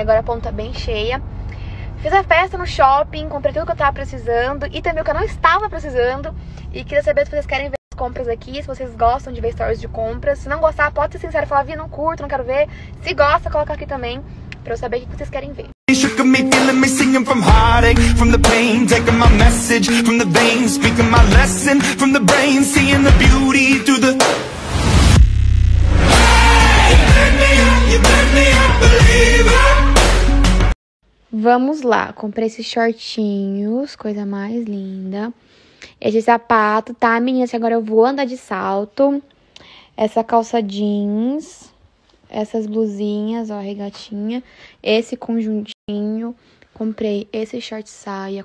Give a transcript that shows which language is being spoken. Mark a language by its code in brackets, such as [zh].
[pt] Agora a ponta bem cheia. Fiz a festa no shopping, comprei tudo que eu tava precisando e também o que eu não estava precisando. E queria saber se vocês querem ver as compras aqui, se vocês gostam de ver stories de compras. Se não gostar, pode ser sincero, falar, vi, não curto, não quero ver. Se gosta, coloca aqui também pra eu saber o que vocês querem ver. [en] Shook me, feeling me, singing from heartache, from the pain, taking my message from the veins, speaking my lesson from the brain, seeing the beauty through the. Hey, you made me a believer. [pt] Vamos lá, comprei esses shortinhos, coisa mais linda. Esse sapato, tá, meninas? Agora eu vou andar de salto. Essa calça jeans. Essas blusinhas, ó, regatinha. Esse conjuntinho. Comprei esse short saia.